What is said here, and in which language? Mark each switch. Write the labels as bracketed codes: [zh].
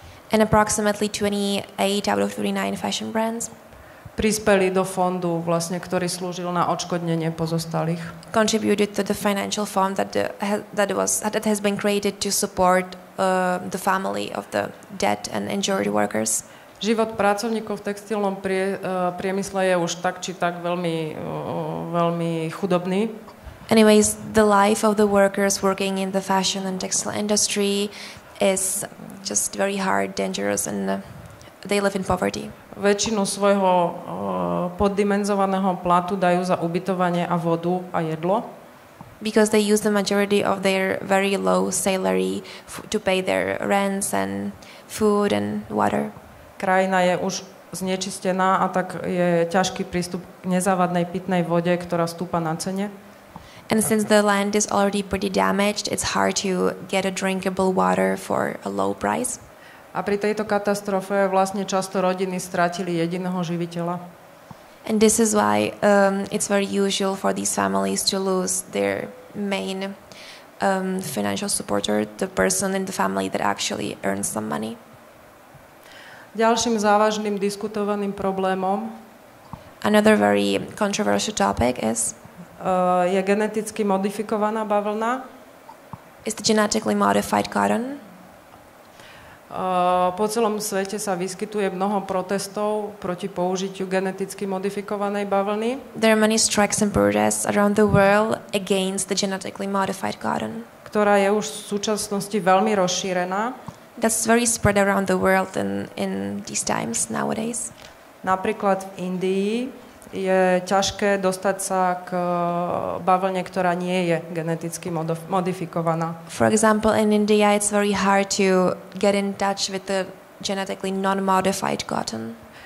[en] And approximately 28 out of 29 fashion brands [sk] prispeli do fondu, vlastne, ktorý slúžil na odškodnenie pozostalých. [en] Contributed to the financial fund that has been created to support the family of the dead and injured workers. [sk] Život pracovníkov v textilnom priemysle je už tak či tak veľmi veľmi chudobný. [en] Anyways, the life of the workers working in the fashion and textile industry is just very hard, dangerous, and they live in poverty. [sk] Väčšinu svojho poddimenzovaného platu dajú za ubytovanie a vodu a jedlo. [en] Because they use the majority of their very low salary to pay their rents and food and water. [sk] Krajina je už znečistená a tak je ťažký prístup k nezávadnej pitnej vode, ktorá stúpa na cene. [en] And since the land is already pretty damaged, it's hard to get a drinkable water for a low price. [sk] A pri tejto katastrofe vlastne často rodiny stratili jediného živiteľa. [en] And this is why it's very usual for these families to lose their main financial supporter, the person in the family that actually earns some money. [sk] Ďalším závažným diskutovaným problémom, [en] another very controversial topic is, [sk] je geneticky modifikovaná bavlna, [en] is the genetically modified cotton. [sk] Po celom svete sa vyskytuje mnoho protestov proti použitiu geneticky modifikovanej bavlny. [en] There are many strikes and protests around the world against the genetically modified cotton, [sk] ktorá je už v súčasnosti veľmi rozšírená. [en] That's very spread around the world in these times nowadays. [sk] Napríklad v Indii je ťažké dostať sa k bavlne, ktorá nie je geneticky modifikovaná. [en] For example, in India it's very hard to get in touch with the genetically non-modified cotton.